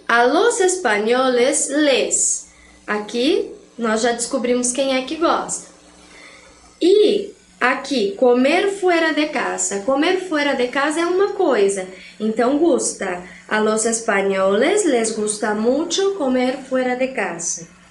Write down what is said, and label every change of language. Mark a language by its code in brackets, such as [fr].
[es] A los españoles les. [pt] Aquí, nós já descobrimos quem é que gosta. E [es] Aqui, comer fuera de casa. Comer fuera de casa [pt] é uma coisa. Então, gusta. [es] A los españoles les gusta mucho comer fuera de casa.